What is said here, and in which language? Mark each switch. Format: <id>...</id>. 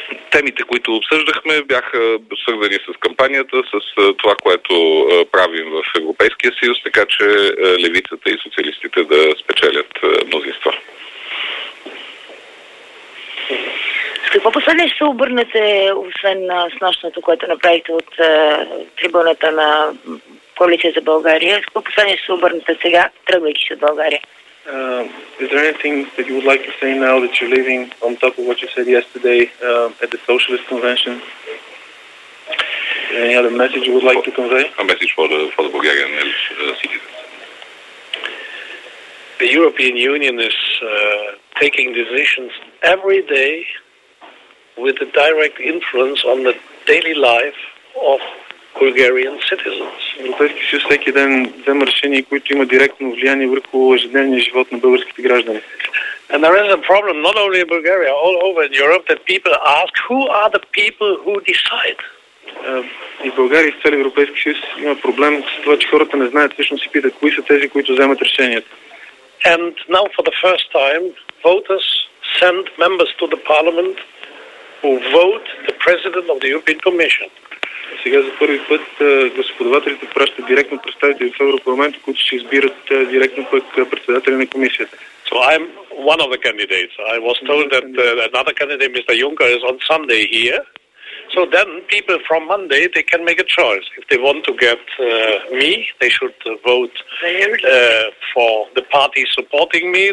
<bg>Темите, които обсъждахме, бяха свързани с кампанията, с това, което правим в Европейския съюз, така че левицата и социалистите да спечелят мнозинство. С какво последно ще се обърнете, освен с нощното, което направихте от трибуната на Коалиция за България? С какво последно ще се обърнете сега, тръгвайки се от България?</bg> <en>Is there anything that you would like to say now that you're leaving on top of what you said yesterday at the Socialist Convention? Any other message you would like to convey? A message for the Bulgarian citizens. The European Union is taking decisions every day with a direct influence on the daily life of Bulgarian citizens.</en> <bg>Европейски съюз всеки ден взема решения, които има директно влияние върху ежедневния живот на българските граждани.</bg> <en>And there is a problem not only in Bulgaria, all over in Europe, that people ask who are the people who decide.</en> <bg>И в България и в цели Европейски съюз има проблем с това, че хората не знаят, всъщност си питат кои са тези, които вземат решенията.</bg> <en>And now for the first time, voters send members to the parliament who vote the president of the European Commission.</en> <bg>Сега за първи път господавателите пращат директно представители в Европарламент, които ще избират директно пък председателя на комисията.</bg> <en>So I'm one of the candidates. I was told that another candidate, Mr. Juncker, is on Sunday here. So then people from Monday, they can make a choice. If they want to get me, they should vote for the party supporting me.</en>